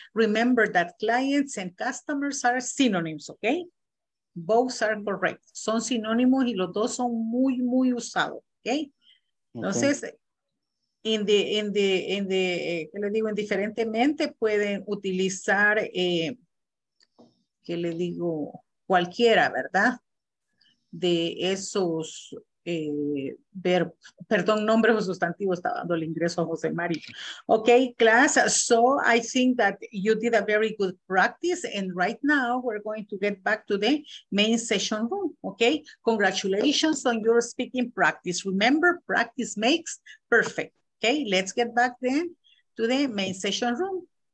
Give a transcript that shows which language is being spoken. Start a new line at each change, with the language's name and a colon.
English: Remember that clients and customers are synonyms, okay? Both are correct.
Spanish: Son sinónimos y los dos son muy, muy usados, okay? Entonces, en ¿qué le digo? Indiferentemente pueden utilizar, ¿qué le digo? Cualquiera, ¿verdad? De esos nombres o sustantivos, está dando el ingreso a José Mario.
English: Okay, class, so I think that you did a very good practice, and right now we're going to get back to the main session room, okay? Congratulations on your speaking practice. Remember, practice makes perfect, okay? Let's get back then to the main session room.